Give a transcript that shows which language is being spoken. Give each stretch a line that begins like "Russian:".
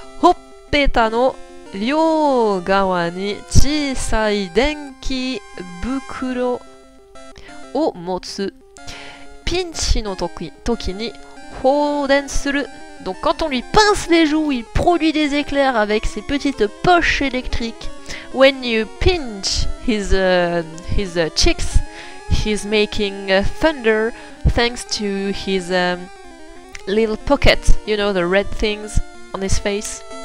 Japanese: ほっぺたの両側に小さい電気袋を持つ。ピンチの時に
French: Donc quand on lui pince les joues, il produit des éclairs avec ses petites poches électriques.
English: When you pinch his cheeks, he's making thunder thanks to his little pockets. You know, the red things on his face.